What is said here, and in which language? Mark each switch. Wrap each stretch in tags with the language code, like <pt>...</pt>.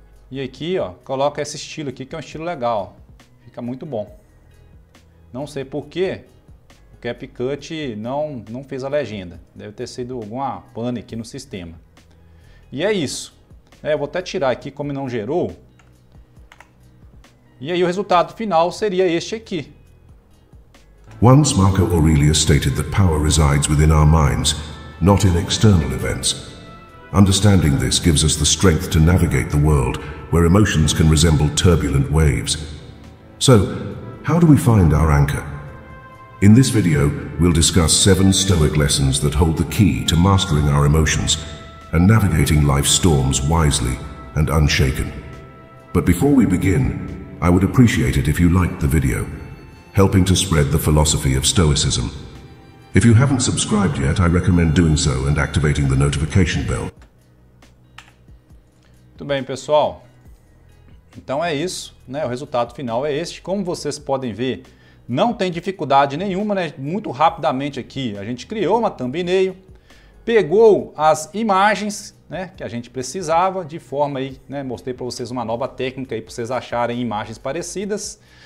<pt>E aqui, ó, coloca esse estilo aqui, que é um estilo legal. Fica muito bom. Não sei porquê. CapCut não fez a legenda. Deve ter sido alguma pane aqui no sistema. E é isso. Eu vou até tirar aqui como não gerou. E aí o resultado final seria este aqui.</pt> <en>Once Marco Aurelius stated that power resides within our minds, not in external events. Understanding this gives us the strength to navigate the world where emotions can resemble turbulent waves. So, how do we find our anchor? In this video, we'll discuss 7 Stoic lessons that hold the key to mastering our emotions and navigating life's storms wisely and unshaken. But before we begin, I would appreciate it if you liked the video, helping to spread the philosophy of Stoicism. If you haven't subscribed yet, I recommend doing so and activating the notification bell.</en> <pt>Muito bem, pessoal. Então é isso, né? O resultado final é este. Como vocês podem ver, não tem dificuldade nenhuma, né? Muito rapidamente aqui, a gente criou uma thumbnail, pegou as imagens, né, que a gente precisava, de forma aí, né, mostrei para vocês uma nova técnica aí para vocês acharem imagens parecidas.</pt>